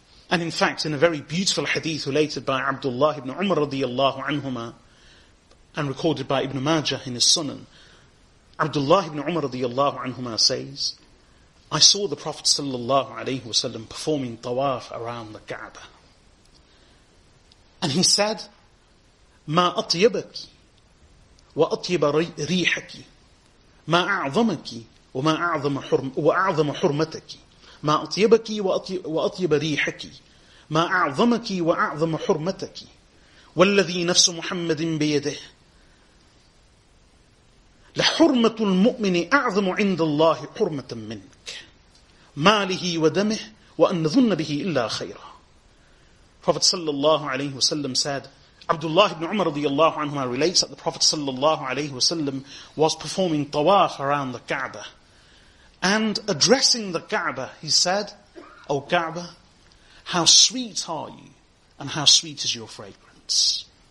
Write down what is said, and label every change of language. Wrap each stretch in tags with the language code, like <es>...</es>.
<en>And in fact, in a very beautiful hadith related by Abdullah ibn Umar radiallahu anhumah, and recorded by Ibn Majah in his Sunan, Abdullah ibn Umar radiallahu anhumah says, I saw the Prophet sallallahu alayhi wasallam performing tawaf around the Kaaba. And he said,</en> <ar>ما أطيبك وأطيب ريحك ما أعظمك وما أعظم حرم وأعظم حرمتك ما أطيبك وأطيب ريحك ما أعظمك وأعظم حرمتك والذي نفس محمد بيده لحرمة المؤمن أعظم عند الله حرمة منك ماله ودمه وأن نظن به إلا خيرا.</ar> <en>Prophet sallallahu alayhi wa sallam said, Abdullah ibn Umar radiallahu anhu relates that the Prophet sallallahu alayhi wa sallam was performing tawaf around the Kaaba. And addressing the Kaaba, he said, O Kaaba, how sweet are you and how sweet is your fragrance?</en>